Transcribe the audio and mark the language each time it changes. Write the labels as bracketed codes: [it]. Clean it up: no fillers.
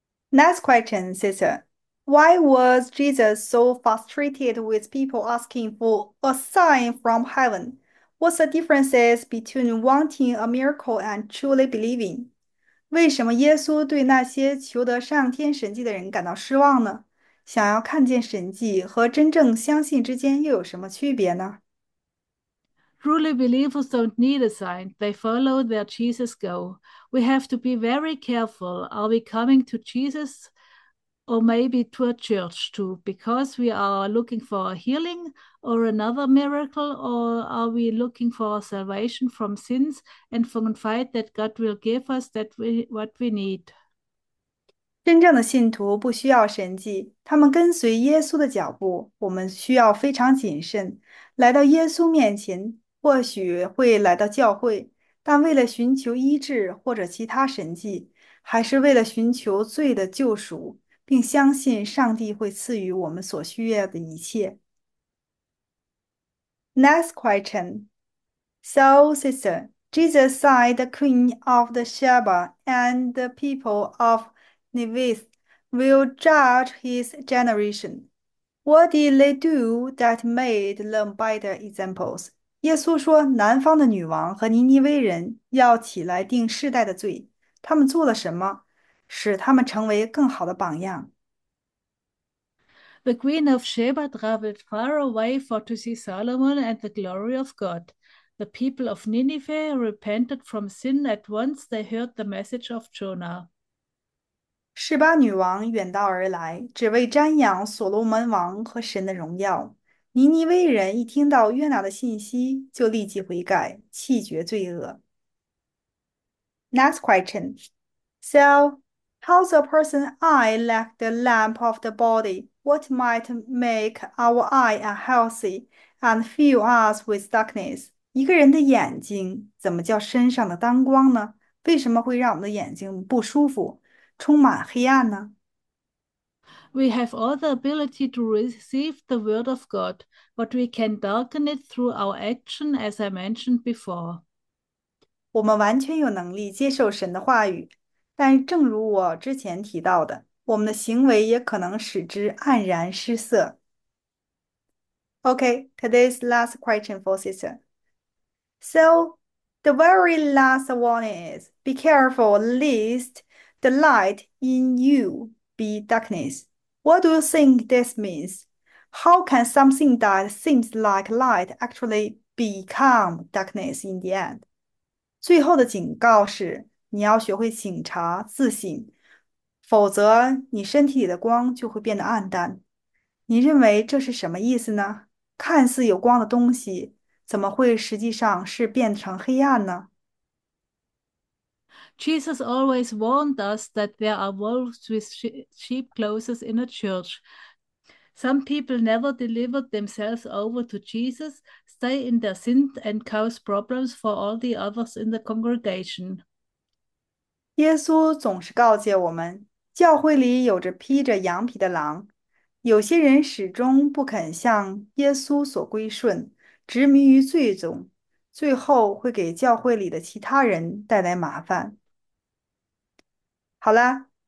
[en] Next question, sister. Why was Jesus so frustrated with people asking for a sign from heaven? What's the differences between wanting a miracle and truly believing? [zh] 为什么耶稣对那些求得上天神迹的人感到失望呢？想要看见神迹和真正相信之间又有什么区别呢？ [en] Truly believers don't need a sign. They follow where Jesus go. We have to be very careful. Are we coming to Jesus or maybe to a church too? Because we are looking for a healing or another miracle, or are we looking for a salvation from sins and from the fight that God will give us that we what we need? [zh] 真正的信徒不需要神迹，他们跟随耶稣的脚步。我们需要非常谨慎，来到耶稣面前，或许会来到教会，但为了寻求医治或者其他神迹，还是为了寻求罪的救赎，并相信上帝会赐予我们所需要的一切。 [en] Next question. So, sister, Jesus said the Queen of the Sheba and the people of Nevis will judge his generation. What did they do that made them better examples? [zh] 耶稣说："南方的女王和尼尼微人要起来定世代的罪。他们做了什么，使他们成为更好的榜样？" [en] The Queen of Sheba traveled far away for to see Solomon and the glory of God. The people of Nineveh repented from sin at once they heard the message of Jonah. [zh] 示巴女王远道而来，只为瞻仰所罗门王和神的荣耀。尼尼微人一听到约拿的信息，就立即悔改，弃绝罪恶。 [en] Next question. So, how's a person's eye like the lamp of the body? What might make our eye unhealthy and fill us with darkness? [zh] 一个人的眼睛怎么叫身上的灯光呢？为什么会让我们的眼睛不舒服？充满黑暗呢？ [en] We have all the ability to receive the word of God, but we can darken it through our action, as I mentioned before. [zh] 我们完全有能力接受神的话语，但正如我之前提到的，我们的行为也可能使之黯然失色。 [en] OK，today's last question for sister. So, the very last one is, be careful, lest the light in you be darkness. What do you think this means? How can something that seems like light actually become darkness in the end? [zh] 最后的警告是，你要学会醒察、自省，否则你身体里的光就会变得暗淡。你认为这是什么意思呢？看似有光的东西，怎么会实际上是变成黑暗呢？ [en] Jesus always warned us that there are wolves with sheep clothes in a church. Some people never delivered themselves over to Jesus, stay in their sin, and cause problems for all the others in the congregation. [zh] 耶稣总是告诫我们，教会里有着披着羊皮的狼，有些人始终不肯向耶稣所归顺，执迷于罪中，最后会给教会里的其他人带来麻烦。好了，